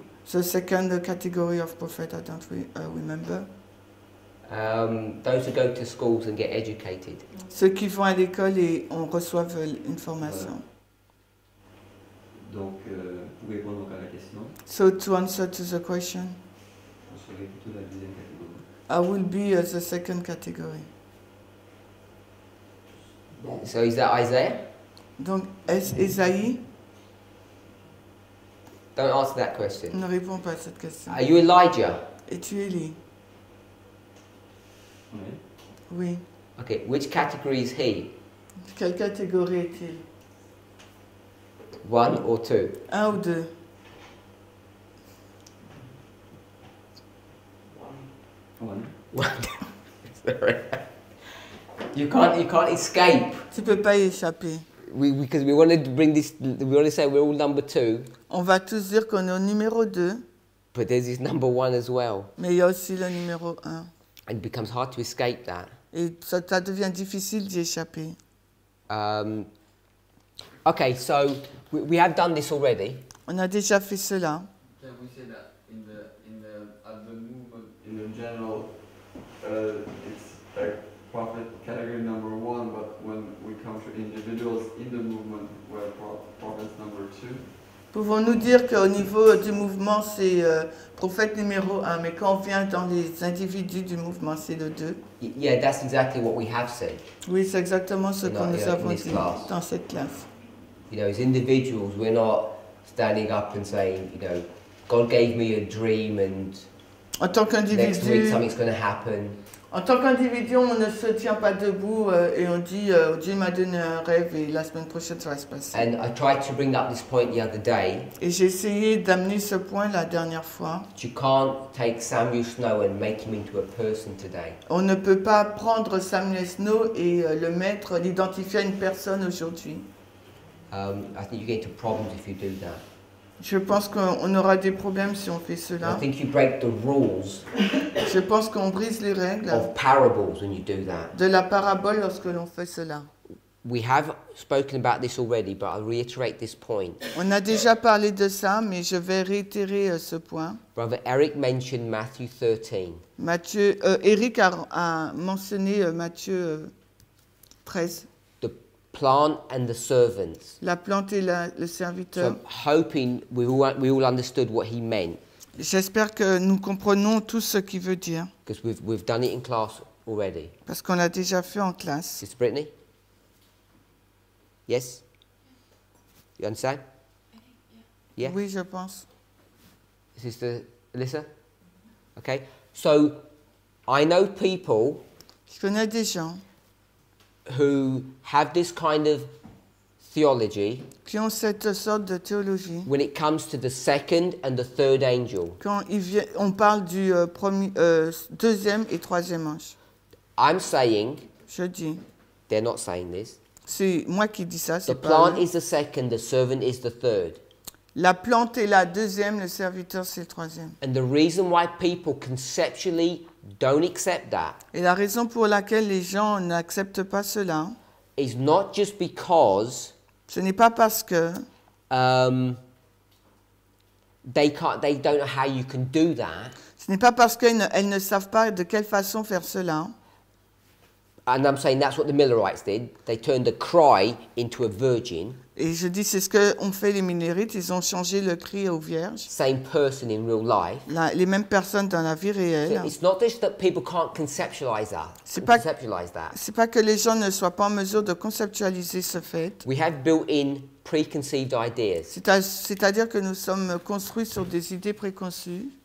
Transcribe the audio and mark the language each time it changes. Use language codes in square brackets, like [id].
[en] The second category of prophet, I don't remember. Those who go to schools and get educated. [fr] Ceux qui vont à l'école et on reçoit une formation. Donc, vous pouvez répondre à la question. [en] So to answer to the question, [fr] on serait plutôt la deuxième catégorie. [en] I will be the second category. So is that Isaiah? [fr] Donc, est-ce Isaïe? [en] Don't ask that question. [fr] Ne réponds pas à cette question. [en] Are you Elijah? [fr] Es-tu Élie? Oui. [en] Okay, which category is he? [fr] Quelle catégorie est-il? [en] One or two? [fr] Un ou deux. [en] One. Sorry. You can't escape. [fr] Tu peux pas y échapper. [en] Because we wanted to bring this, we want to say we're all number two. [fr] On va tous dire qu'on est au numéro 2. [en] But there's this number one as well. [fr] Mais il y a aussi le numéro 1. [en] It becomes hard to escape that. [fr] Et ça devient difficile d'y échapper. [en] Okay, so we have done this already. [fr] On a déjà fait cela. [en] Can we say that at the movement, in the general, it's like prophet category number one, but when we come to individuals in the movement, we're prophet number two. [fr] Pouvons-nous dire qu'au niveau du mouvement, c'est prophète numéro 1, mais quand on vient dans les individus du mouvement, c'est le 2? [en] Yeah, that's exactly what we have said. [fr] Oui, c'est exactement ce que nous avons dit dans cette classe. [en] You know, as individuals, we're not standing up and saying, you know, God gave me a dream and [fr] en tant qu'individu, [en] next week something's going to happen. [fr] En tant qu'individu, on ne se tient pas debout et on dit Dieu m'a donné un rêve et la semaine prochaine ça va se passer. [en] And I tried to bring up this point the other day. [fr] Et j'ai essayé d'amener ce point la dernière fois. [en] You can't take Samuel Snow and make him into a person today. [fr] On ne peut pas prendre Samuel Snow et le mettre, l'identifier à une personne aujourd'hui. [en] I think you get into problems if you do that. [fr] Je pense qu'on aura des problèmes si on fait cela. [en] I think you break the rules. [fr] Je pense qu'on brise les règles [en] of parables when you do that. [fr] De la parabole lorsque l'on fait cela. [en] We have spoken about this already, but I'll reiterate this point. [fr] On a déjà parlé de ça, mais je vais réitérer ce point. [en] Brother Eric mentioned Matthew 13. [fr] Eric a mentionné Matthieu 13. [en] Plant and the servants. [fr] La plante et le serviteur. [en] So hoping we all understood what he meant. [fr] J'espère que nous comprenons tout ce qu'il veut dire. [en] Because we've done it in class already. [fr] Parce qu'on l'a déjà fait en classe. [en] Is Brittany? Yes. You understand? I think, yeah. Yeah. [fr] Oui, je pense. [en] Sister Alyssa. Okay. So I know people. [fr] Je connais des gens. [en] Who have this kind of theology? [fr] Qui ont cette sorte de théologie? [en] When it comes to the second and the third angel. [fr] Quand on parle du premier, deuxième et troisième ange. [en] I'm saying. [fr] Je dis. [en] They're not saying this. [fr] C'est moi qui dis ça. [en] The plant is the second. The servant is the third. [fr] La plante est la deuxième, le serviteur c'est le troisième. [en] And the reason why people conceptually don't accept that. [fr] Et la raison pour laquelle les gens n'acceptent pas cela. [en] Is not just because. [fr] Ce n'est pas parce que. [en] They can't. They don't know how you can do that. [fr] Ce n'est pas parce qu'elles ne savent pas de quelle façon faire cela. [en] And I'm saying that's what the Millerites did. They turned a cry into a virgin. [fr] Et je dis, c'est ce que ont fait les Millerites. Ils ont changé le cri aux vierges. [en] Same person in real life. [fr] Les mêmes personnes dans la vie réelle. [en] So it's not just that people can't conceptualize that. [fr] C'est pas que les gens ne soient pas en mesure de conceptualiser ce fait. [en] We have built-in preconceived ideas. [fr] C'est-à-dire que nous sommes construits sur des idées préconçues.